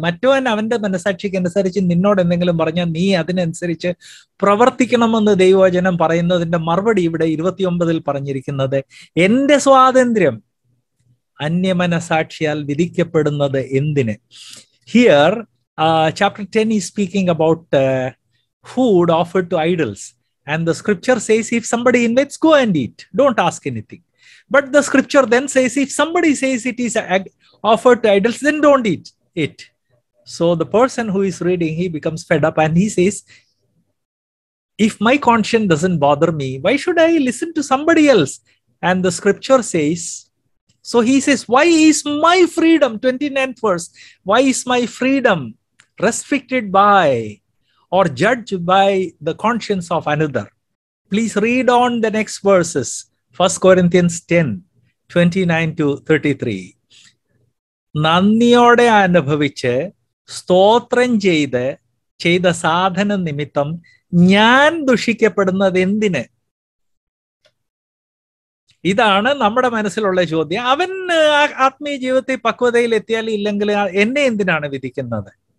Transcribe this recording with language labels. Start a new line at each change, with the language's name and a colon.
Malayalam: മറ്റവൻ അവന്റെ മനസാക്ഷിക്കനുസരിച്ച് നിന്നോട് എന്തെങ്കിലും പറഞ്ഞാൽ നീ അതിനനുസരിച്ച് പ്രവർത്തിക്കണമെന്ന് ദൈവവചനം പറയുന്നതിന്റെ മറുപടി ഇവിടെ 29 പറഞ്ഞിരിക്കുന്നത്, എന്റെ സ്വാതന്ത്ര്യം അന്യമനസാക്ഷിയാൽ വിധിക്കപ്പെടുന്നത് എന്തിന്?
English: Here chapter 10 is speaking about food offered to idols. And the scripture says, if somebody invites, go and eat. Don't ask anything. But the scripture then says, if somebody says it is offered to idols, then don't eat it. So the person who is reading, he becomes fed up and he says, if my conscience doesn't bother me, why should I listen to somebody else? And the scripture says, so he says, why is my freedom, 29th verse, why is my freedom restricted by or judged by the conscience of another? Please read on the next verses. 1 Corinthians 10, 29 to 33.
Malayalam: നന്ദിയോടെ അനുഭവിച്ച് സ്തോത്രം ചെയ്ത സാധന നിമിത്തം ഞാൻ ദുഷിക്കപ്പെടുന്നത് എന്തിന്? ഇതാണ് നമ്മുടെ മനസ്സിലുള്ള ചോദ്യം. അവൻ ആത്മീയ ജീവിതത്തെ പക്വതയിൽ എത്തിയാൽ, ഇല്ലെങ്കിൽ എന്നെ എന്തിനാണ് വിധിക്കുന്നത്?